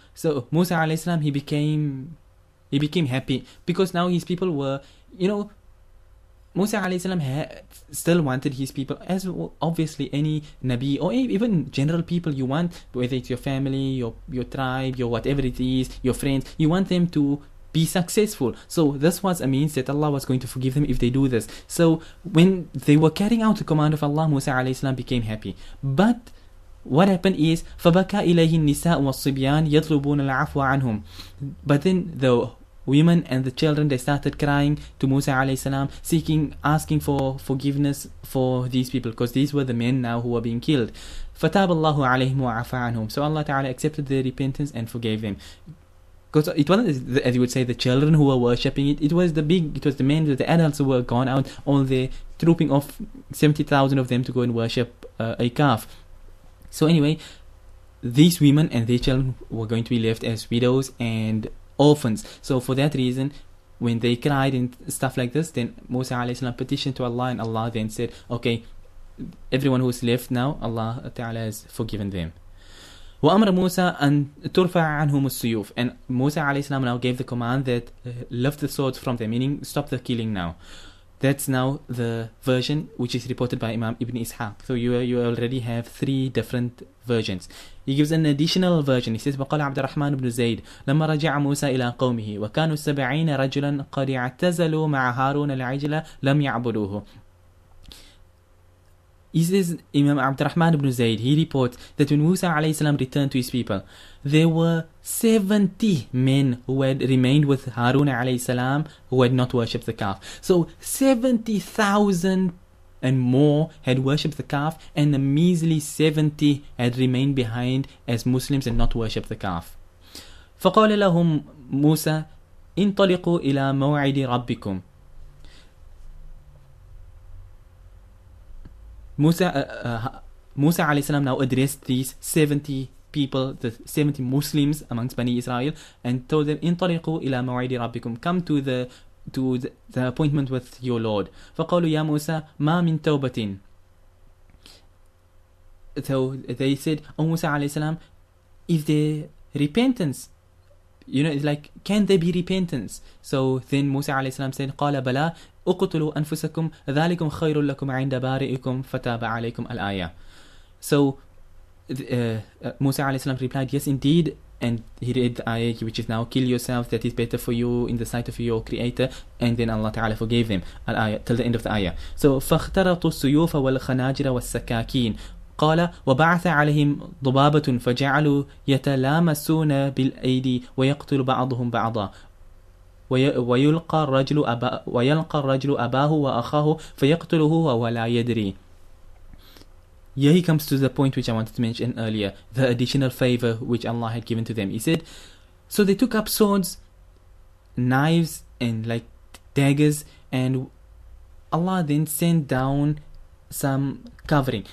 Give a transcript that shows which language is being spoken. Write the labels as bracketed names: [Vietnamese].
[English] So Musa alayhi salam, he became happy, because now his people were, you know, Musa alayhi salam still wanted his people, as obviously any Nabi or even general people, you want, whether it's your family, your tribe, your whatever it is, your friends, you want them to be successful. So this was a means that Allah was going to forgive them if they do this. So when they were carrying out the command of Allah, Musa alayhi salam became happy. But what happened is, [Arabic] فَبَكَى إِلَيْهِ النِّسَاءُ وَالصِّبْيَانِ يَطْلُبُونَ الْعَفْوَ عَنْهُمْ. [English] But then the women and the children, they started crying to Musa alayhi salam, asking for forgiveness for these people, because these were the men now who were being killed. [Arabic] فَتَابَ اللَّهُ عَلَيْهِمْ وَعَفَى عَنْهُمْ. [English] So Allah Ta'ala accepted their repentance and forgave them. Because it wasn't, as you would say, the children who were worshipping it. It was the men, the adults who were gone out, all there, trooping off 70,000 of them to go and worship a calf. So anyway, these women and their children were going to be left as widows and orphans. So for that reason, when they cried and stuff like this, then Musa alayhi salam petitioned to Allah, and Allah then said, okay, everyone who's left now, Allah Ta'ala has forgiven them. [Arabic] وَأَمْرَ مُوسَى أَن تُرْفَعَ عَنْهُمُ السُّيُوفِ. [English] And Musa alayhi salam now gave the command that lift the swords from them, meaning stop the killing now. That's now the version which is reported by Imam Ibn Ishaq. So you already have three different versions. He gives an additional version. He says, [Arabic] وَقَالَ عَبْدَ الرَّحْمَنُ بْنُ زَيْدِ لَمَّا رَجَعَ مُوسَى إِلَىٰ قَوْمِهِ وَكَانُوا 70 رَجُلًا قَدْ اعْتَزَلُوا مَعَ هَارُونَ الْعِجْلَ لَمْ يَعْبُدُوهُ. [English] He says, Imam Abd Rahman ibn Zayd, he reports that when Musa alayhi salam returned to his people, there were 70 men who had remained with Harun alayhi salam who had not worshipped the calf. So 70,000 and more had worshipped the calf, and a measly 70 had remained behind as Muslims and not worshipped the calf. [Arabic] فَقَالَ لَهُمْ مُوسَى انْطَلِقُوا إِلَى مَوْعِدِ رَبِّكُمْ. [English] Musa alayhi salam now addressed these 70 people, the 70 Muslims amongst Bani Israel, and told them, [Arabic] انطلقوا إلى موعد ربكم, [English] come to the appointment with your Lord. [Arabic] فقالوا يا موسى ما من توبة. [English] So they said, oh Musa alayhi salam, is there repentance? You know, it's like, can there be repentance? So then Musa alayhi salam said, [Arabic] قال بلى أقتلوا أنفسكم ذلكم خير لكم عند بارئكم فتاب عليكم الآية. [English] So Musa alayhi salam replied, yes indeed, and he read the ayah which is now, kill yourself, that is better for you in the sight of your creator, and then Allah Ta'ala forgave them الآيه, till the end of the ayah. [Arabic] So فاخترطوا السيوف والخناجر والسكاكين قال وبعث عليهم ضبابة فجعلوا يتلامسون بالأيدي ويقتل بعضهم بعضا ويلقى الرجل أباه وأخاه فيقتله وهو لا يدري. [English] Here he comes to the point which I wanted to mention earlier, the additional favor which Allah had given to them. He said, so they took up swords, knives, and like daggers, and Allah then sent down some covering.